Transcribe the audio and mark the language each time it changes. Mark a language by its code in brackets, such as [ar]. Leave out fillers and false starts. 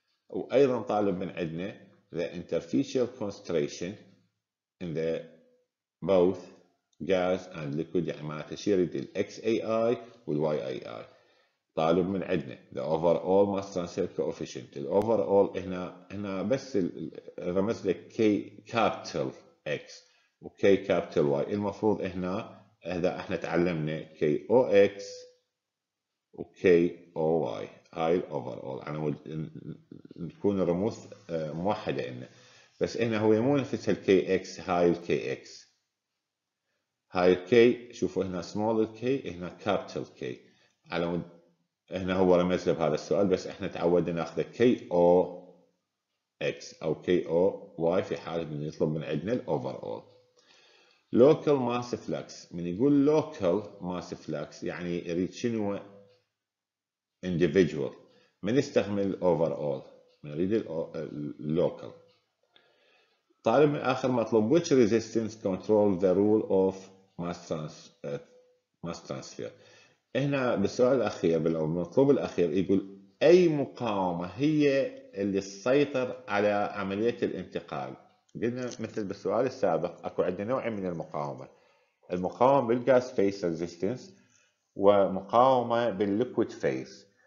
[ar] وايضا طالب من عندنا [en] the interfacial concentration in the both gas and liquid، [ar] يعني معناته شيء يريد ال XAI وال YAI. طالب من عندنا. [en] The overall mass transfer coefficient. The overall [ar] هنا بس رمز لك [en] K capital X و K capital Y. [ar] المفروض هنا إذا إحنا تعلمنا KOX و KOY هاي الـ overall أنا نكون رموز موحدة إنه. بس هنا هو مو نفس الـ KX هاي الـ KX هاي الـ K شوفوا هنا small K هنا capital K على مود هنا هو رمز له بهذا السؤال بس إحنا تعودنا نأخذ KOX أو KOY في حالة من يطلب من عندنا الـ overall local mass flux. من يقول local mass flux يعني يريد شنو individual. من يستخدم overall من يريد local. طالب من آخر مطلوب [en] which resistance control the rule of mass transfer. [ar] هنا بالسؤال الأخير بالمطلوب الأخير يقول أي مقاومة هي اللي تسيطر على عملية الانتقال. قلنا مثل بالسؤال السابق اكو عندنا نوعين من المقاومه، المقاومه بالغاز فيس ريزيستنس ومقاومه بالليكويد فيس.